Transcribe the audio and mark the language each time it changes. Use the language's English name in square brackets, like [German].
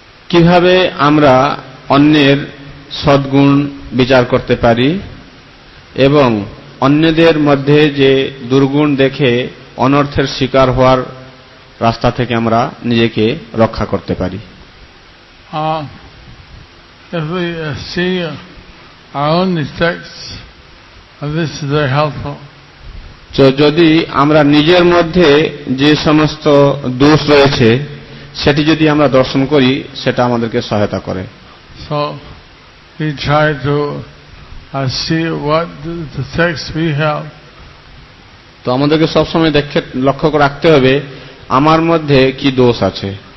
[Bangla] কিভাবে আমরা অন্যের সদ্গুণ বিচার করতে পারি এবং অন্যদের মধ্যে যে দুর্গুণ দেখে অনর্থের শিকার হওয়ার রাস্তা থেকে আমরা নিজেকে রক্ষা করতে পারি? [English] if we see our own defects, this is very helpful. [Bangla] তো যদি আমরা নিজের মধ্যে যে সমস্ত দোষ রয়েছে সেটি যদি আমরা দর্শন করি সেটা আমাদেরকে সহায়তা করে। [English] So we try to see what defects we have. [Bangla] তো আমাদেরকে সবসময় দেখে লক্ষ্য করে রাখতে হবে আমার মধ্যে কি দোষ আছে।